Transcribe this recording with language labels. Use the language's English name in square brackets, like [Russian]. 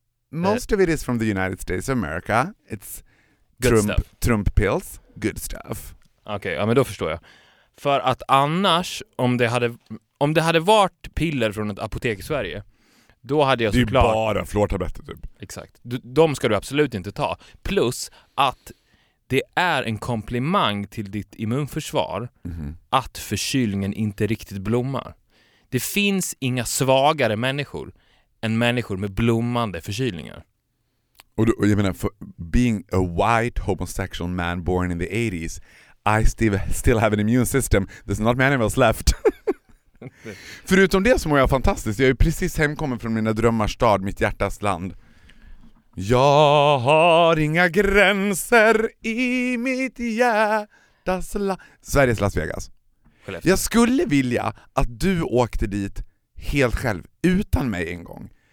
[English] Most of it is from the United States of America. It's good Trump stuff. Trump pills. Good stuff. [Swedish] Okej, okay, ja men då förstår jag. För att annars, om det hade varit piller från ett apotek i Sverige, då hade jag såklart... Det är bara flortabletter typ. Exakt. De ska du absolut inte ta. Plus att det är en komplimang till ditt immunförsvar, mm-hmm, att förkylningen inte riktigt blommar. Det finns inga svagare människor än människor med blommande förkylningar. Och jag menar, [English] for being a white homosexual man born in the 80s, I still have an immune system. There's not many of us left. [Swedish] Förutom det så mår jag fantastiskt. Jag är precis hemkommen från mina drömmars stad, mitt hjärtas land. Jag har inga gränser i mitt hjärtas land. Sveriges Las Vegas. Skellefteå. Jag skulle vilja att du åkte dit helt själv, utan mig en gång.